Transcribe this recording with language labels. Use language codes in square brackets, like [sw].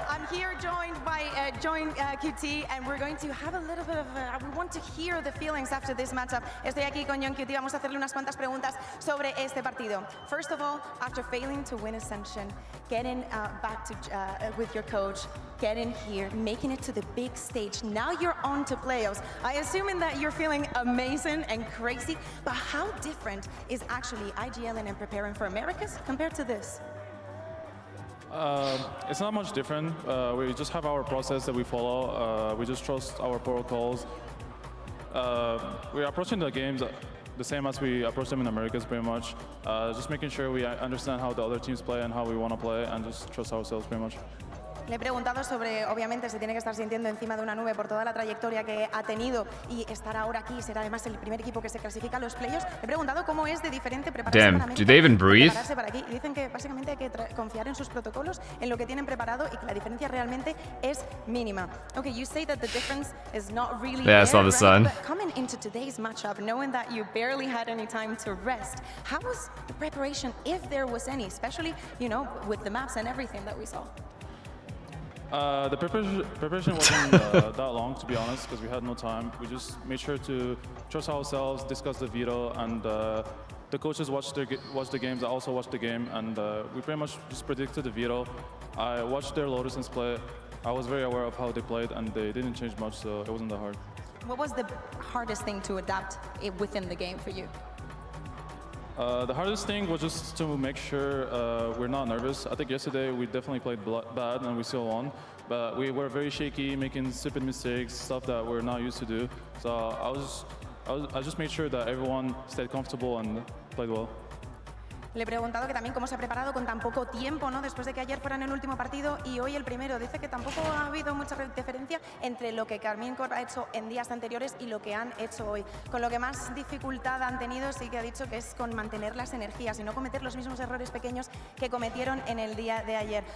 [en] Here joined by QT, and we're going to have a little bit of we want to hear the feelings after this matchup. [es] Estoy aquí con Young QT, vamos a hacerle unas cuantas preguntas sobre este partido. [en] First of all, after failing to win Ascension, getting back to with your coach, getting here, making it to the big stage, now you're on to playoffs. I assume that you're feeling amazing and crazy, but how different is actually IGLing and preparing for Americas compared to this? It's not much different. We just have our process that we follow. We just trust our protocols. We're approaching the games the same as we approach them in Americas, pretty much. Just making sure we understand how the other teams play and how we want to play, and just trust ourselves, pretty much. [es] Le he preguntado sobre, obviamente, se tiene que estar sintiendo encima de una nube por toda la trayectoria que ha tenido y estar ahora aquí y ser además el primer equipo que se clasifica a los playoffs. He preguntado cómo es de diferente prepararse [en] Damn, [es] para América, [en] do they even breathe? [es] Prepararse para aquí. Y dicen que básicamente hay que confiar en sus protocolos, en lo que tienen preparado y que la diferencia realmente es mínima. [en] Okay, you say that the difference is not really yeah, I saw the right? sun. But coming into today's matchup, knowing that you barely had any time to rest, how was the preparation, if there was any, especially, you know, with the maps and everything that we saw? The preparation wasn't that long, to be honest, because we had no time. We just made sure to trust ourselves, discuss the veto, and the coaches watched the games. I also watched the game, and we pretty much just predicted the veto. I watched their Lotuses play. I was very aware of how they played, and they didn't change much, so it wasn't that hard. What was the hardest thing to adapt within the game for you? The hardest thing was just to make sure we're not nervous. I think yesterday we definitely played bad and we still won, but we were very shaky, making stupid mistakes, stuff that we're not used to do. So I just made sure that everyone stayed comfortable and played well. [es] Le he preguntado que también cómo se ha preparado con tan poco tiempo, ¿no? Después de que ayer fueran el último partido y hoy el primero. Dice que tampoco ha habido mucha diferencia entre lo que Carmín Corp ha hecho en días anteriores y lo que han hecho hoy. Con lo que más dificultad han tenido, sí que ha dicho que es con mantener las energías y no cometer los mismos errores pequeños que cometieron en el día de ayer.